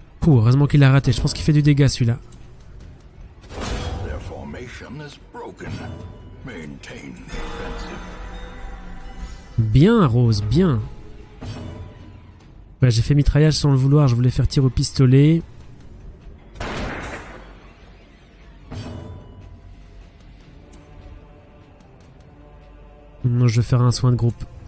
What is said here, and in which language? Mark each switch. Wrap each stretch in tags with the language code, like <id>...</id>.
<fr>Heureusement qu'il a raté, je pense qu'il fait du dégât celui-là. Leur formation est broken.</fr> <en>Maintain the offensive.</en> <fr>Bien, Rose, bien. Ouais, j'ai fait mitraillage sans le vouloir, je voulais faire tir au pistolet. Non, je vais faire un soin de groupe.</fr>